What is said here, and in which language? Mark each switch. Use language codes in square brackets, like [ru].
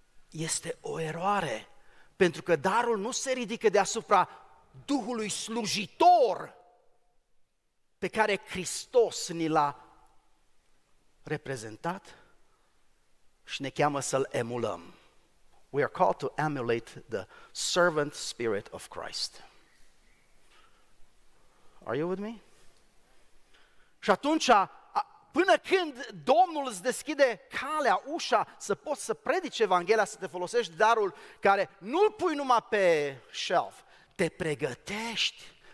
[ro] Este o eroare, pentru că darul nu se ridică deasupra Duhului slujitor pe care Hristos ni l-a reprezentat și ne cheamă să-L emulăm. [en] We are called to emulate the servant spirit of Christ. Are you with me? [ro] Și atunci, până când Domnul îți deschide calea, ușa, să poți să predici Evanghelia, să te folosești darul care nu-l pui numai pe shelf, te pregătești.